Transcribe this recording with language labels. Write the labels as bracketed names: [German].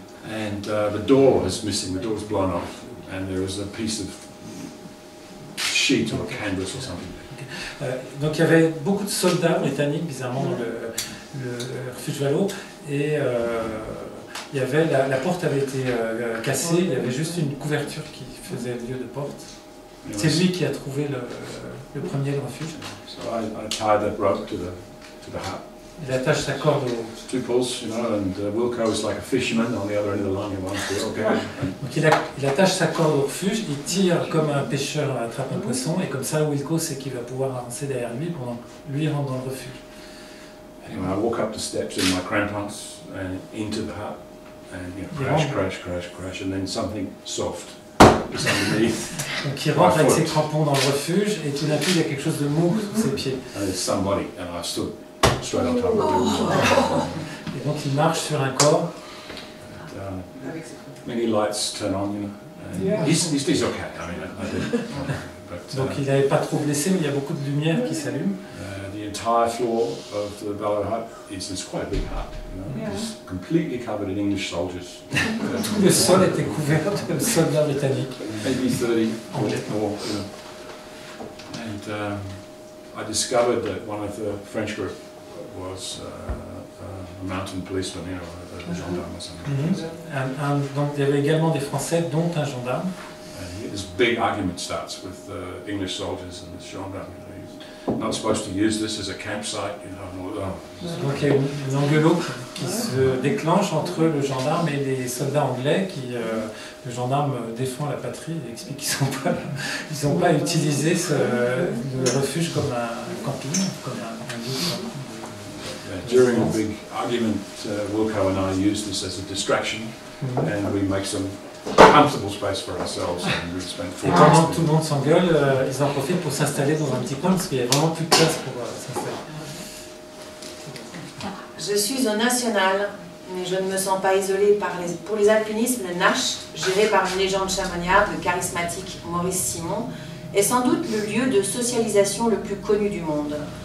[English] And the door is missing, the door's blown off, and there is a piece of sheet or canvas or something. [French] Donc il y avait beaucoup de soldats britanniques, bizarrement, dans le refuge Valo, et il y avait la porte avait été cassée, il y avait juste une couverture qui faisait lieu de porte. C'est lui qui a trouvé le premier refuge. [English] So I tied that rope to the hut. [French] Il attache sa corde au. [English] Two poles, you know, and Wilco is like a fisherman on the other end of the line. He wants to, okay. [French] Donc il attache sa corde au refuge, il tire comme un pêcheur attrape un poisson, et comme ça Wilco sait qu'il va pouvoir avancer derrière lui pendant lui rentre dans le refuge. [English] Anyway, I walk up the steps in my crampons and into the hut, and you know, crash, and then something soft is underneath. [French] Donc il rentre avec ses crampons dans le refuge, et tout d'un coup il y a quelque chose de mou sous ses pieds. [English] And there's somebody, and I stood. Straight on top of the door. [French] Et donc il marche sur un corps. [English] And, many lights turn on, you know. Yeah. He's okay. I mean, [French] donc il n'avait pas trop blessé, mais il y a beaucoup de lumière qui s'allume. [English] The entire floor of the Valo hut is quite a big hut. You know, it's completely covered in English soldiers. [French] Tout le sol était couvert de soldats britanniques. [English] Maybe 30 or more. You know. And I discovered that one of the French group was a mountain policeman, you know, a gendarme or something. [French] And donc il y avait également des Français, dont un gendarme. [English] And this big argument starts with the English soldiers and this gendarme. You know, he's not supposed to use this as a campsite, you know. Or, [French] Donc il y a un engueulot qui se déclenche entre le gendarme et les soldats anglais qui, le gendarme défend la patrie et explique qu'ils n'ont pas, ils ont pas utilisé le refuge comme un camping, comme un lieu. [English] During a big argument, Wilco and I use this as a distraction, and we make some comfortable space for ourselves. And we spent 4 hours. [French] Pendant que tout le monde s'engueule, ils en profitent pour s'installer dans un petit coin parce qu'il y a vraiment plus de place pour s'installer. Je suis au national, mais je ne me sens pas isolé par les. Pour les alpinistes, le Nash, géré par une légende chamoniarde charismatique Maurice Simon, est sans doute le lieu de socialisation le plus connu du monde.